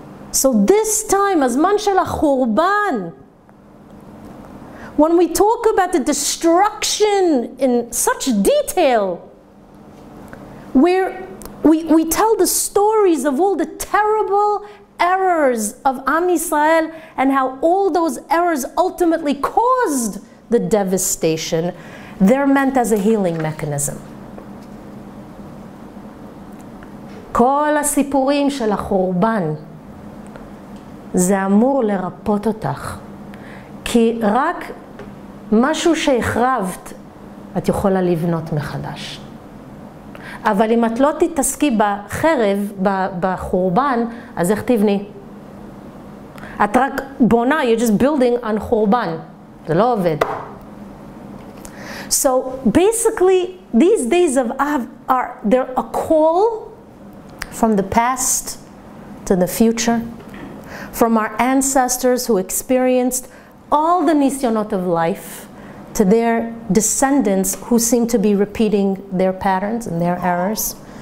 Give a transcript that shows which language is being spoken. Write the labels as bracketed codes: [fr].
[en] So this time, [he] הזמן של החורבן, [en] when we talk about the destruction in such detail, where we tell the stories of all the terrible errors of Am Yisrael and how all those errors ultimately caused the devastation, they're meant as a healing mechanism. [he] כל הסיפורים של החורבן זה אמור לרפות אותך. כי רק משהו שהחרבת, את יכולה לבנות מחדש. אבל אם את לא תתעסקי בחרב, בחורבן, אז איך תבני? את רק בונה, [en] you're just building on [he] חורבן. זה לא עובד. [en] So basically, these days of Av are, they're a call from the past to the future, from our ancestors who experienced all the nisyonot of life to their descendants who seem to be repeating their patterns and their errors.